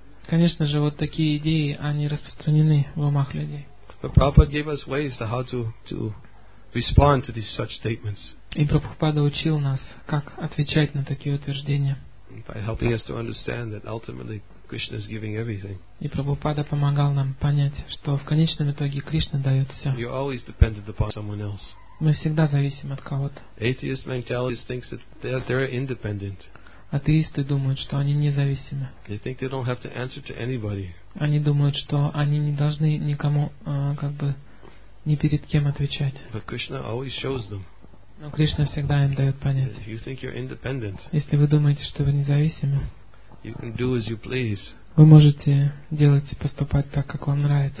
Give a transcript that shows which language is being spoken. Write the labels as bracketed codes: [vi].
[ru] Конечно же, вот такие идеи, они распространены в умах людей. [en] But Prabhupada gave us ways to how to respond to these such statements. [ru] И Прабхупада учил нас, как отвечать на такие утверждения. [en] By helping us to understand that ultimately Krishna is giving everything. [ru] И Прабхупада помогал нам понять, что в конечном итоге Кришна дает все. [en] You're always dependent upon someone else. [ru] Мы всегда зависим от кого-то. [en] Atheist mentality thinks that they're independent. [ru] Атеисты думают, что они независимы. [en] They think they don't have to answer to anybody. [ru] Они думают, что они не должны никому, как бы, ни перед кем отвечать. [en] But Krishna always shows them. [ru] Но Кришна всегда им дает понять. [en] If you think you're independent, [ru] если вы думаете, что вы независимы, [en] you can do as you please. [ru] Вы можете делать и поступать так, как вам нравится.